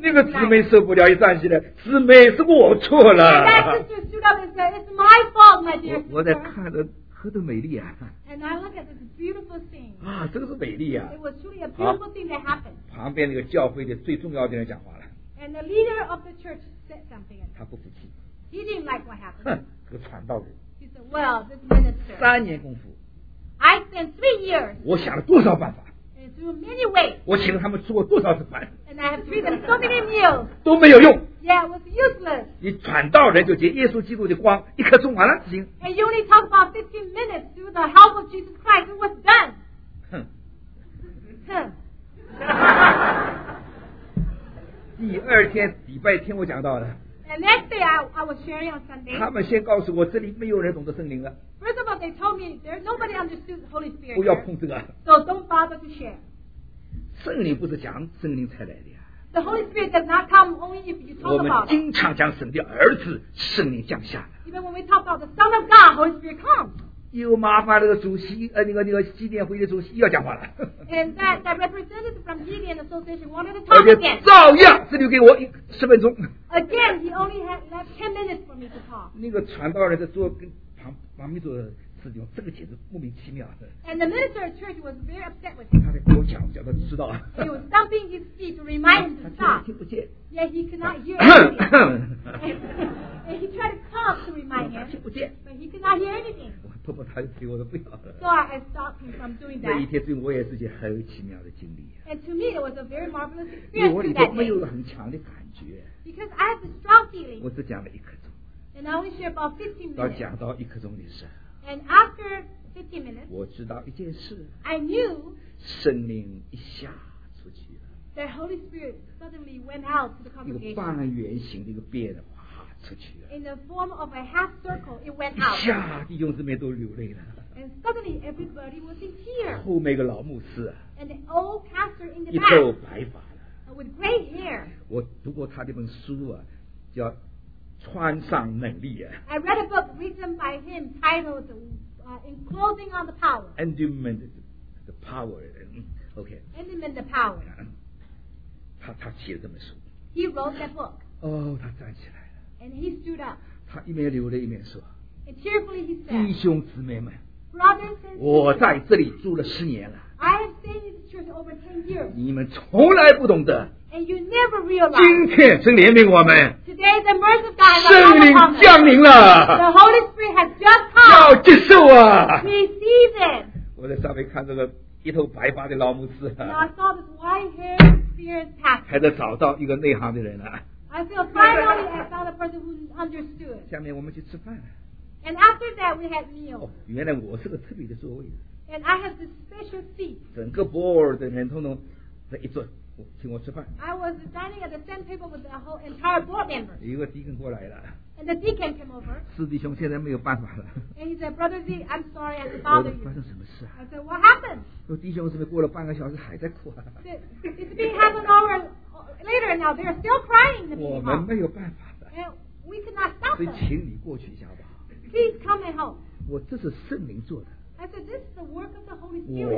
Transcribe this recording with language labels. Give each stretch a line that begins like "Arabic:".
Chinese: 那个姊妹受不了，一站起来，姊妹是我错了。
English: And that sister stood up and said, "It's my fault, my dear sister."
Chinese: 我在看着。何等美丽啊！
English: And I look at this beautiful thing.
Chinese: 啊，这个是美丽啊！
English: It was truly a beautiful thing that happened.
Chinese: 旁边那个教会的最重要的人讲话了。
English: And the leader of the church said something.
Chinese: 他不服气。
English: He didn't like what happened.
Chinese: 哼，这个传道人。
English: He said, "Well, this minister."
Chinese: 三年功夫。
English: I spent 3 years.
Chinese: 我想了多少办法？
English: And through many ways.
Chinese: 我请了他们吃过多少次饭？
English: And I have treated them so many meals.
Chinese: 都没有用。
English: Yeah, it was useless.
Chinese: 你传道人就借耶稣基督的光一刻钟完了行。
English: And you only talk about 15 minutes through the help of Jesus Christ, it was done.
Chinese: 哼。第二天礼拜天我讲到了。
English: And next day I was sharing on Sunday.
Chinese: 他们先告诉我这里没有人懂得圣灵了。
English: First of all, they told me there nobody understood the Holy Spirit.
Chinese: 不要碰这个。
English: So don't bother to share.
Chinese: 圣灵不是讲圣灵才来的。
English: The Holy Spirit does not come only if you talk about it.
Chinese: 我们经常讲神的儿子圣灵降下。
English: Even when we talk about the Son of God, Holy Spirit comes.
Chinese: 又麻烦那个主席，那个纪念会的主席又要讲话了。
English: And that representative from Gideon Association wanted to talk again.
Chinese: 照样只留给我十分钟。
English: Again, he only had left 10 minutes for me to talk.
Chinese: 那个传道人在做跟旁边做事情，这个简直莫名其妙。
English: And the minister of church was very upset with him.
Chinese: 他在跟我讲他知道。
English: He was thumping his feet to remind him to stop.
Chinese: 听不见。
English: Yet he could not hear anything. And he tried to cough to remind him.
Chinese: 听不见。
English: But he could not hear anything.
Chinese: 我迫迫他就推我说不要了。
English: So I stopped him from doing that.
Chinese: 那一天对我也是件很奇妙的经历。
English: And to me it was a very marvelous experience.
Chinese: 我里头没有很强的感觉。
English: Because I have a strong feeling.
Chinese: 我只讲了一刻钟。
English: And I only share about 15 minutes.
Chinese: 到讲到一刻钟的时候。
English: And after 15 minutes,
Chinese: 我知道一件事,
English: I knew
Chinese: 圣灵一下出去了,
English: that Holy Spirit suddenly went out to the congregation.
Chinese: 一个半圆形的一个变化出去了,
English: in the form of a half circle, it went out.
Chinese: 一下弟兄姊妹都流泪了,
English: and suddenly everybody was in tears.
Chinese: 后面一个老牧师,
English: and the old pastor in the
Chinese: back, 一头白发了,
English: with gray hair.
Chinese: 我读过他这本书啊，叫穿上能力啊。
English: I read a book written by him titled In Clothing on the Power. Endowment the Power. Okay. Endowment the Power.
Chinese: 他写了这本书。
English: He wrote that book.
Chinese: 哦，他站起来了。
English: And he stood up.
Chinese: 他一面流泪一面说。
English: And cheerfully he said.
Chinese: 弟兄姊妹们。
English: Brothers and sisters.
Chinese: 我在这里住了十年了。
English: I have stayed in this church over 10 years.
Chinese: 你们从来不懂得。
English: And you never realize.
Chinese: 今天神怜悯我们。
English: Today the mercy of God has come.
Chinese: 圣灵降临了。
English: The Holy Spirit has just come.
Chinese: 要接受啊。
English: Receive it.
Chinese: 我在上面看这个一头白发的老牧师。
English: And I saw this white-haired spirit pastor.
Chinese: 还在找到一个内行的人了。
English: I feel finally I found a person who understood.
Chinese: 下面我们去吃饭。
English: And after that we had meal.
Chinese: 哦，原来我是个特别的座位。
English: And I have this special seat.
Chinese: 整个 board 的人通通在一坐。请我吃饭。
English: I was dining at the same table with the whole entire board members.
Chinese: 一个 deacon 过来了。
English: And the deacon came over.
Chinese: 四弟兄现在没有办法了。
English: And he said, "Brother Z, I'm sorry, I have to bother you."
Chinese: 发生什么事啊？
English: I said, "What happened?"
Chinese: 说弟兄是不是过了半个小时还在哭啊？
English: It's been half an hour later now. They're still crying.
Chinese: 我们没有办法了。
English: And we cannot stop them.
Chinese: 所以请你过去一下吧。
English: please come and help.
Chinese: 我这是圣灵做的。
English: I said this is the work of the Holy Spirit.